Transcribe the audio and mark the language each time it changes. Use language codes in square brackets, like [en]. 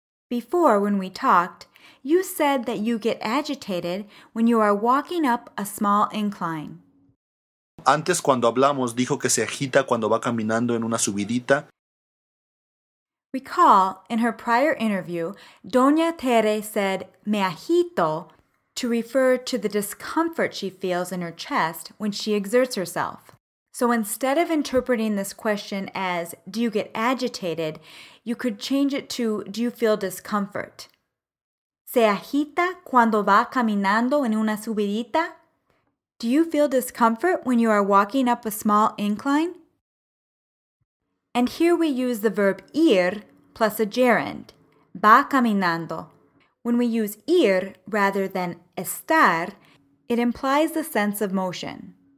[en] Before, when we talked, you said that you get agitated when you are walking up a small incline. [es] Antes, cuando hablamos, dijo que se agita cuando va caminando en una subidita. [en] Recall, in her prior interview, Doña Tere said, me agito, to refer to the discomfort she feels in her chest when she exerts herself. So instead of interpreting this question as, do you get agitated, you could change it to, do you feel discomfort? [es] ¿Se agita cuando va caminando en una subidita? [en] Do you feel discomfort when you are walking up a small incline? And here we use the verb ir plus a gerund, va caminando. When we use ir rather than estar, it implies the sense of motion.